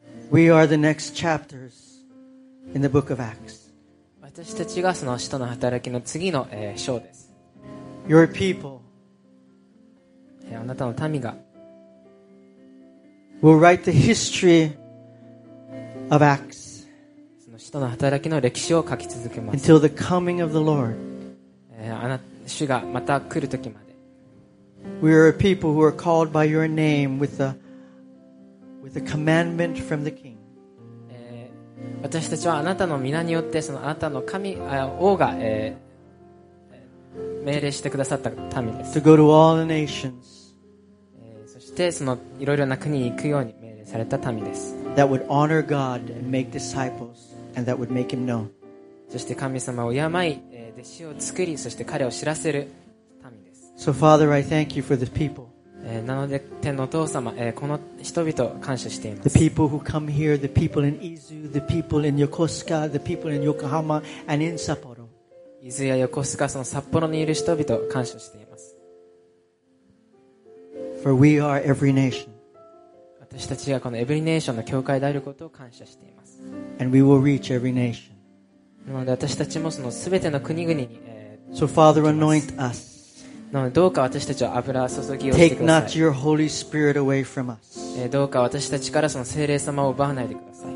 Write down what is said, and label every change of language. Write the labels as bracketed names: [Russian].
[English] We are the next chapters in the book of Acts. [Japanese] 私たちがその使徒の働きの次の章です。 [English] Your people. [Japanese] あなたの民が [English] will write the history of Acts [Japanese] その使徒の働きの歴史を書き続けます [English] until the coming of the Lord [Japanese] 主がまた来る時まで [English] We are a people who are called by your name with a commandment from the king [Japanese] 私たちはあなたの御名によってそのあなたの神王が、命令してくださった民です [English] to go to all the nations [Japanese] そしてそのいろいろな国に行くように命令された民です。 [English] That would honor God and make disciples and that would make him known. [Japanese] そして神様を敬い、弟子を作り、そして彼を知らせる民です。 [English] So Father, I thank you for the people. [Japanese] なので天のお父様、この人々を感謝しています。 [English] The people who come here, the people in Izu, the people in Yokosuka, the people in Yokohama and in Sapporo. [Japanese] 伊豆や横須賀、その札幌にいる人々を感謝しています。 [English] For we are every nation. [Japanese] 私たちがこのエブリネーションの教会であることを感謝しています。 [English] And we will reach every nation. [Japanese] なので私たちもその全ての国々に、 [English] So Father, anoint us. [Japanese] なのでどうか私たちを油注ぎをしてください。 [English] Take not your Holy Spirit away from us. [Japanese] どうか私たちからその聖霊様を奪わないでください。